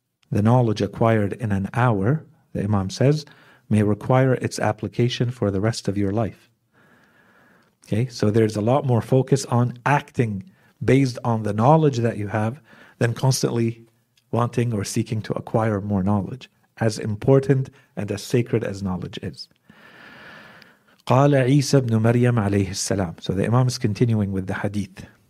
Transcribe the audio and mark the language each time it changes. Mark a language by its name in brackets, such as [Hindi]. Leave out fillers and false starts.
[English] The knowledge acquired in an hour, the Imam says, may require its application for the rest of your life. Okay, so there's a lot more focus on acting based on the knowledge that you have than constantly wanting or seeking to acquire more knowledge, as important and as sacred as knowledge is. [Arabic] قال عيسى بن مريم عليه السلام. [English] So the Imam is continuing with the hadith.